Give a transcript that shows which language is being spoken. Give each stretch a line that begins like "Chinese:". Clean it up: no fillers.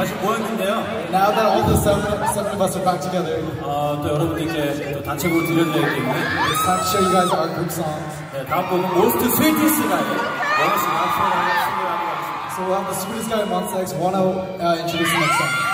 English: Now that all the seven of us are back together,
Korean: 또 여러분들께 또 단체 곡을 들려드려야 되겠네.
English: Let's show you guys our group songs.
Korean: 네, 다음 곡은 Most Sweetest Night.
English: So we'll have the sweetest guy in Monsta X We to introduce the next song.